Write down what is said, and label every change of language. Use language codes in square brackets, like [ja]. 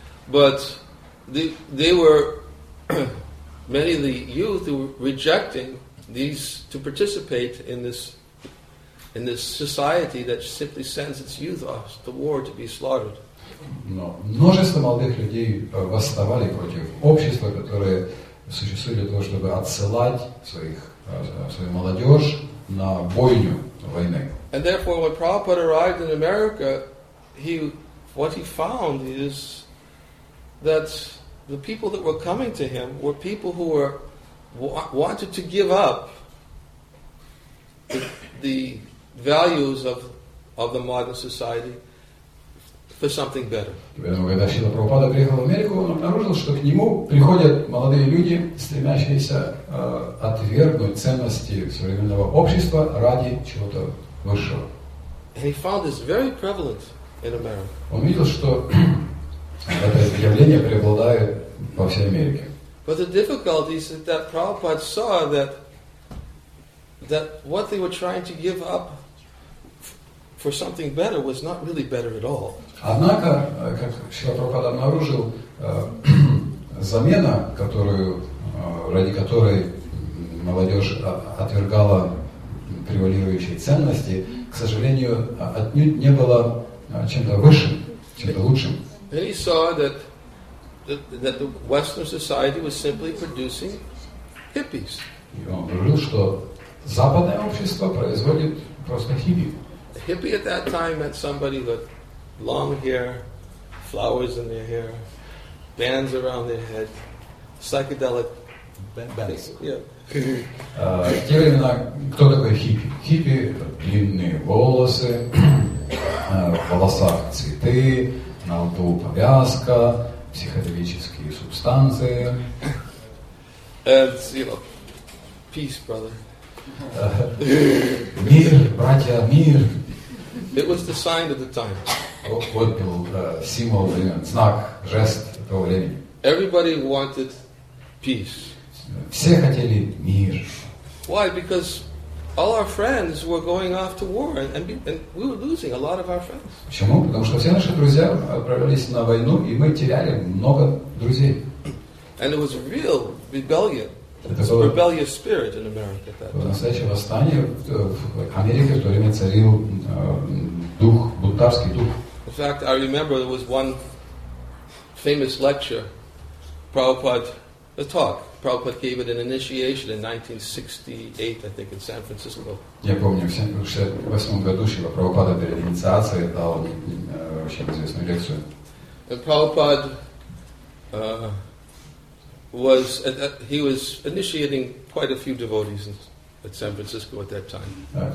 [en] But they were many of the youth who were rejecting these to participate in this society that simply sends its youth off to war to be slaughtered. [ru] Но множество молодых людей восставали против общества, которое существует для того, чтобы отсылать свою молодежь на бойню войны. [en] And therefore, when Prabhupada arrived in America, what he found is that the people that were coming to him were people who were wanted to give up the values of the modern society for something better. [ru] Когда Шрила Прабхупада приехал в Америку, он обнаружил, что к нему приходят молодые люди, стремящиеся отвергнуть ценности современного общества ради чего-то высшего. [en] And he found this very prevalent in America. [ru] Он видел, что это явление преобладает во всей Америке. [en] But the difficulties that Prabhupada saw that what they were trying to give up for something better was not really better at all. [ru] Однако, как Шрила Прабхупада обнаружил, замена, которую, ради которой молодежь отвергала превалирующие ценности, к сожалению, отнюдь не была чем-то высшим, чем-то лучшим. [en] And he saw that the Western society was simply producing hippies. [ru] И он обнаружил, что западное общество производит просто хиппи. [en] A hippie at that time meant somebody with long hair, flowers in their hair, bands around their head, psychedelic bands. Yeah. [ru] В те времена, кто такой хиппи? Хиппи – длинные волосы, в волосах цветы, на лбу повязка, психоделические субстанции. [en] And, you know, peace, brother. [ru] Мир, братья, мир. [en] It was the sign of the time. [ru] Вот был символ, знак, жест того времени. [en] Everybody wanted peace. [ru] Все хотели мир. [en] Why? Because all our friends were going off to war, and we were losing a lot of our friends. [ru] Почему? Потому что все наши друзья отправились на войну, и мы теряли много друзей. [en] And it was real rebellion. It was a rebellious spirit in America at that time. [ru] Настоящее восстание в Америке в то время царил дух, бунтарский дух. [en] In fact, I remember there was one famous lecture, Prabhupada gave it an initiation in 1968, I think, in San Francisco. [ru] Я помню, в 1968 году Шрила Прабхупада перед инициацией дал очень известную лекцию. [en] And Prabhupada was initiating quite a few devotees at San Francisco at that time.